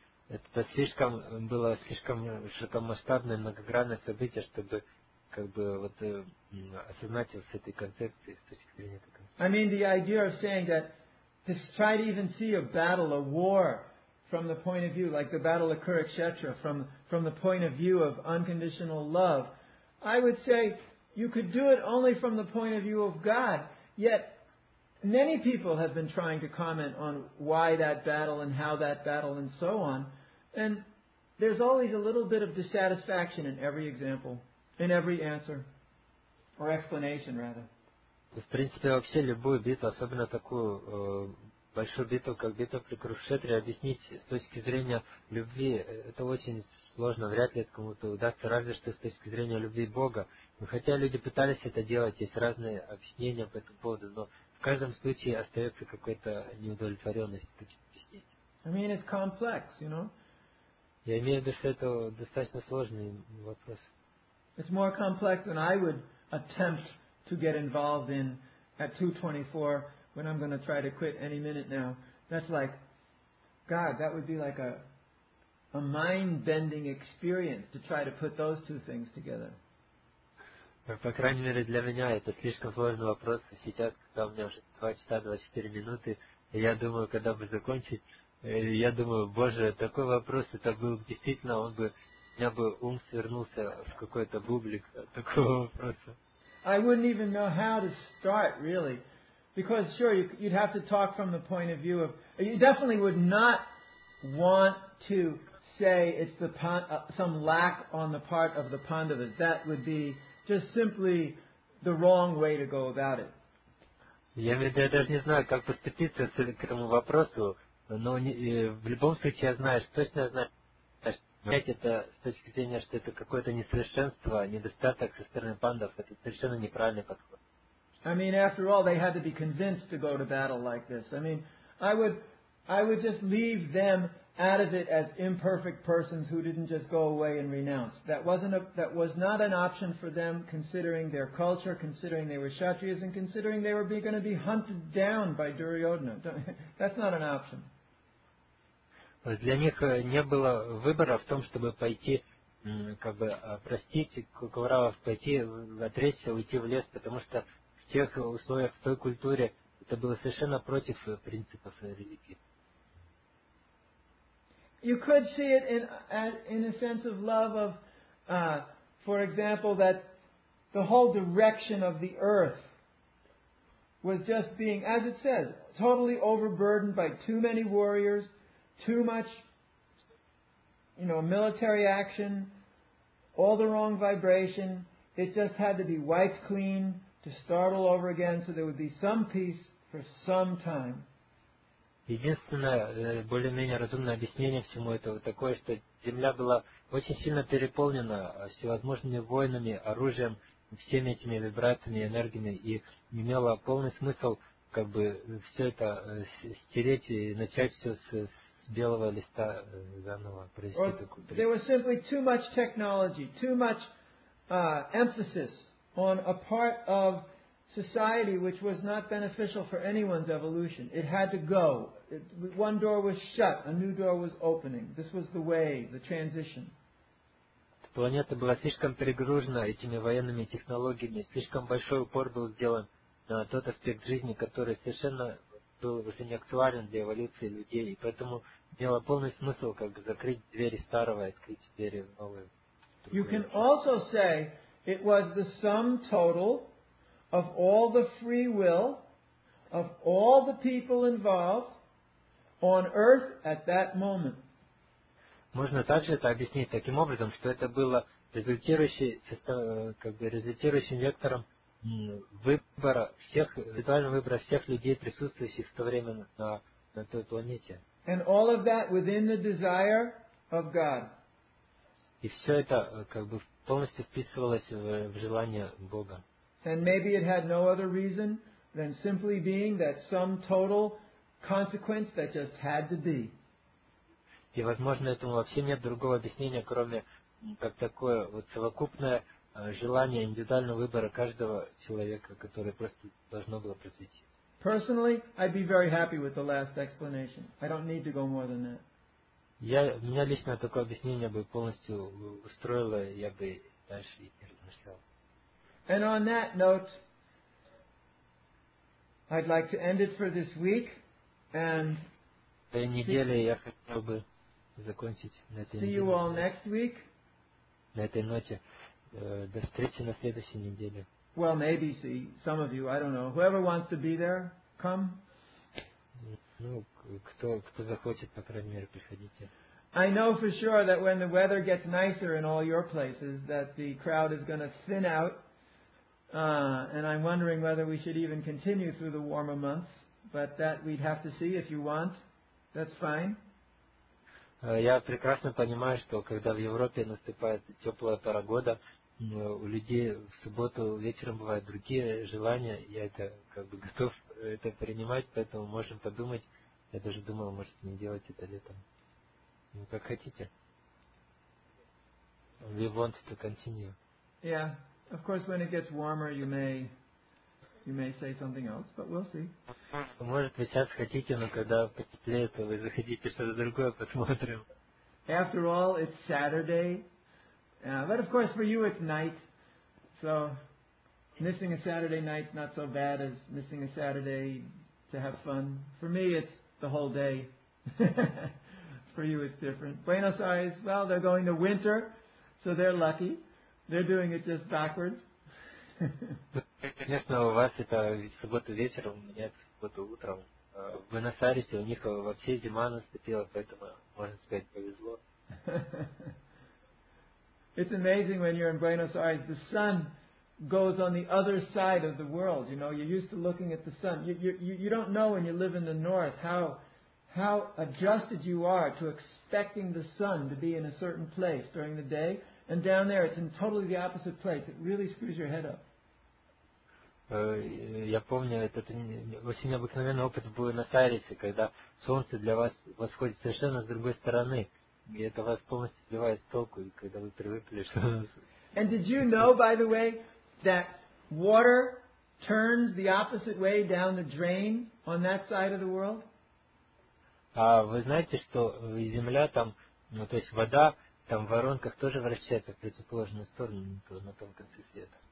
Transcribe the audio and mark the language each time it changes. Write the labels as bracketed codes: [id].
[ru] Это слишком было слишком широкомасштабное многогранное событие, чтобы как бы вот осознать с этой концепцией, с точки зрения этой концепции. [en] I mean, the idea of saying that to try to even see a battle, a war, from the point of view, like the battle of Kurukshetra, from the point of view of unconditional love, I would say you could do it only from the point of view of God. Yet, many people have been trying to comment on why that battle and how that battle and so on. And there's always a little bit of dissatisfaction in every example. In every answer, or explanation, rather. [ru] В принципе, вообще любую битву, особенно такую большую битву, как битва при Курукшетре, объяснить с точки зрения любви, это очень сложно, вряд ли кому-то удастся, разве что с точки зрения любви Бога. Но хотя люди пытались это делать, есть разные объяснения по этому поводу, но в каждом случае остается какая-то неудовлетворенность. [en] I mean, it's complex, you know? [ru] Я имею в виду, что это достаточно сложный вопрос. [en] It's more complex than I would attempt to get involved in at 2:24 when I'm going to try to quit any minute now. That's like, God, that would be like a mind-bending experience to try to put those two things together. [ru] По крайней мере, для меня это слишком сложный вопрос. Сейчас, когда у меня уже 2 часа 24 минуты, я думаю, когда бы закончить, я думаю, Боже, такой вопрос, это был действительно, он бы... Я бы ум свернулся в какой-то бублик такого вопроса. [en] I wouldn't even know how to start, really. Because, sure, you'd have to talk from the point of view of... You definitely would not want to say it's the some lack on the part of the Pandavas. That would be just simply the wrong way to go about it. [ru] Я даже не знаю, как поступиться к этому вопросу, но в любом случае я знаю, точно знаю, что понять это с точки зрения, что это какое-то несовершенство, недостаток со стороны пандов, это совершенно неправильный подход. [en] I mean, after all, they had to be convinced to go to battle like this. I mean, I would just leave them out of it as imperfect persons who didn't just go away and renounce. That was not an option for them, considering their culture, considering they were Kshatriyas, and considering they were going to be hunted down by Duryodhana. That's not an option. [ru] Для них не было выбора в том, чтобы пойти, как бы простить Кауравов, пойти отречься, уйти в лес, потому что в тех условиях, в той культуре, это было совершенно против принципов религии. [en] You could see it in a sense of love of, for example, that the whole direction of the earth was just being, as it says, totally overburdened by too many warriors, too much, you know, military action, all the wrong vibration. It just had to be wiped clean to start all over again so there would be some peace for some time. [ru] Единственное более-менее разумное объяснение всему этому такое, что земля была очень сильно переполнена всевозможными войнами, оружием, всеми этими вибрациями, энергиями, и имела полный смысл как бы все это стереть и начать все с белого листа заново произвести. [en] Or, [ru] такую, [en] there was simply too much technology, too much emphasis on a part of society which was not beneficial for anyone's evolution. It had to go. One door was shut, a new door was opening. This was the way, the transition. [ru] Планета была слишком перегружена этими военными технологиями, слишком большой упор был сделан на тот аспект жизни, который совершенно был уже не актуален для эволюции людей, и поэтому имело полный смысл как бы закрыть двери старого и открыть двери новые. [en] You can also say it was the sum total of all the free will of all the people involved on earth at that moment. [ru] Можно также это объяснить таким образом, что это было результирующим вектором индивидуального выбора всех людей, присутствующих в то время на той планете. [en] And all of that within the desire of God. [ru] И все это как бы полностью вписывалось в желание Бога. [en] And maybe it had no other reason than simply being that some total consequence that just had to be. [ru] И, возможно, этому вообще нет другого объяснения, кроме как такое вот совокупное желание индивидуального выбора каждого человека, которое просто должно было произойти. [en] Personally, I'd be very happy with the last explanation. I don't need to go more than that. [ru] Меня лично такое объяснение бы полностью устроило, я бы дальше и не размышлял. [en] And on that note, I'd like to end it for this week. And see you all next week. [ru] На этой ноте. До встречи на следующей неделе. [en] Well, maybe see some of you. I don't know. Whoever wants to be there, come. [ru] Ну, кто захочет, по крайней мере, приходите. [en] I know for sure that when the weather gets nicer in all your places, that the crowd is going to thin out. And I'm wondering whether we should even continue through the warmer months, but that we'd have to see if you want. That's fine. [ru] Я прекрасно понимаю, что когда в Европе наступает теплая пора года, у людей в субботу вечером бывают другие желания. Я это как бы готов это принимать, поэтому можем подумать. Я даже думал, может, не делать это летом. Ну, как хотите. [en] We want to continue. Yeah. Of course, when it gets warmer, you may say something else, but we'll see. [ru] Может, вы сейчас хотите, но когда потеплее, то вы захотите что-то другое, посмотрим. [en] After all, it's Saturday. But of course, for you, it's night. So, missing a Saturday night's not so bad as missing a Saturday to have fun. For me, it's the whole day. For you, it's different. Buenos Aires, well, they're going to winter, so they're lucky. They're doing it just backwards. [ru] Конечно, у вас это суббота вечером, у меня это суббота утром. В Буэнос-Айресе у них вообще зима наступила, поэтому, можно сказать, повезло. [en] It's amazing when you're in Buenos Aires. The sun goes on the other side of the world. You know, you're used to looking at the sun. You don't know when you live in the north how adjusted you are to expecting the sun to be in a certain place during the day. And down there, it's in totally the opposite place. It really screws your head up. [ru] Я помню этот очень обыкновенный опыт в Буэнос-Айресе, когда солнце для вас восходит совершенно с другой стороны, и это вас полностью сбивает с толку, и когда вы привыкли, что... [en] And did you know, by the way, that water turns the opposite way down the drain on that side of the world? [ru] А вы знаете, что земля там, ну то есть вода там в воронках тоже вращается в противоположную сторону на том конце света?